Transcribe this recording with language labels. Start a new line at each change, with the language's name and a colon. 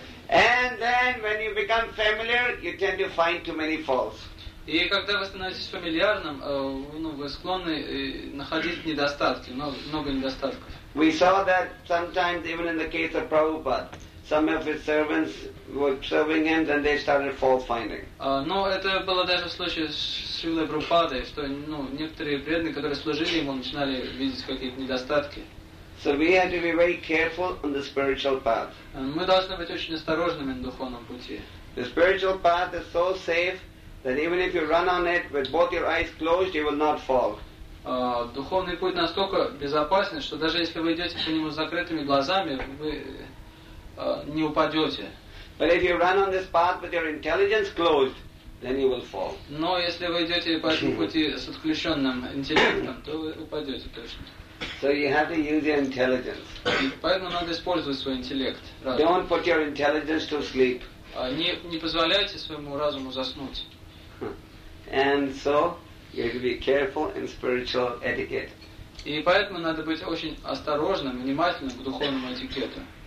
English: And then when you become familiar, you tend to find too many faults.
Russian: И когда вы становитесь фамильярным, ну, вы склонны находить недостатки, много недостатков.
English: We saw that sometimes even in the case of Prabhupada, some of his servants were serving him, and they started fault finding.
Russian: Но это было даже в случае с Шрилой Прабхупадой, что некоторые преданные, которые служили ему, начинали видеть какие-то недостатки.
English: So we have to be very careful on the spiritual path.
Russian: Мы должны быть очень осторожными на духовном пути.
English: The spiritual path is so safe that even if you run on it with both your eyes closed, you will not fall.
Russian: Духовный путь настолько безопасен, что даже если вы идете по нему с закрытыми глазами, вы не упадете.
English: But if you run on this path with your intelligence closed, then you will fall.
Russian: Но если вы идете по этому пути с отключенным интеллектом, то вы упадете точно.
English: So you have to use your intelligence.
Russian: Поэтому надо использовать свой интеллект.
English: Don't put your intelligence to sleep.
Russian: Не позволяйте своему разуму заснуть.
English: And so you have to be careful in spiritual etiquette.
Russian: И поэтому надо быть очень осторожным, внимательным к духовному этикету.